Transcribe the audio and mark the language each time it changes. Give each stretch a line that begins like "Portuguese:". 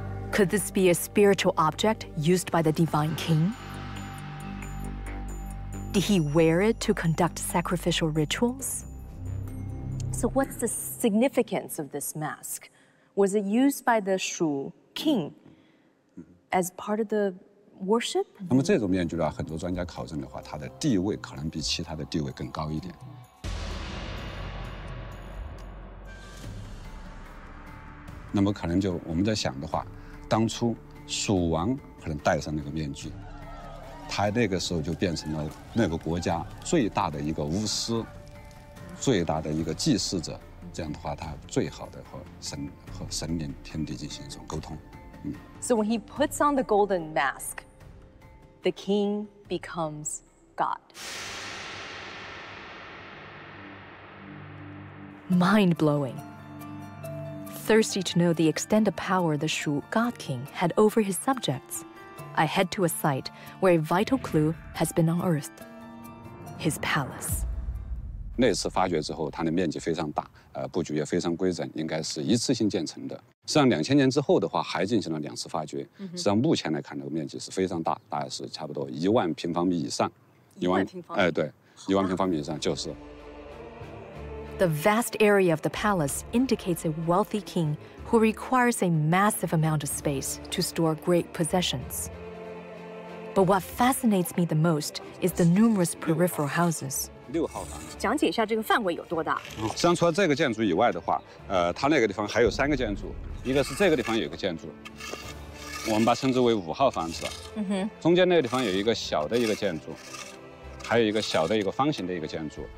English: Could this be a spiritual object used by the divine king? Did he wear it to conduct sacrificial rituals? So what's the significance of this mask? Was it used by the Shu king as part of the worship?
Chinese: 那么这种面具呢，很多专家考证的话，它的地位可能比其他的地位更高一点。那么可能就我们在想的话，当初蜀王可能戴上那个面具，他那个时候就变成了那个国家最大的一个巫师，最大的一个祭祀者，这样的话他最好的和神明天地进行一种沟通。
English: So when he puts on the golden mask, the king becomes God. Mind blowing. Thirsty to know the extent of power the Shu God King had over his subjects, I head to a site where a vital clue has been unearthed. His palace.
Chinese: 那次发掘之后，它的面积非常大，布局也非常规整，应该是一次性建成的。实际上，2000年之后的话，还进行了两次发掘。实际上，目前来看，这个面积是非常大，大概是差不多10000平方米以上。 10000平方米。对，10000平方米以上就是。
English: The vast area of the palace indicates a wealthy king who requires a massive amount of space to store great possessions. But what fascinates me the most is the numerous peripheral houses.
Chinese: 六号房。讲解一下这个范围有多大？实际上，除了这个建筑以外的话，它那个地方还有三个建筑，一个是这个地方有一个建筑，我们把称之为五号房子。嗯哼。中间那个地方有一个小的一个建筑，还有一个小的一个方形的一个建筑。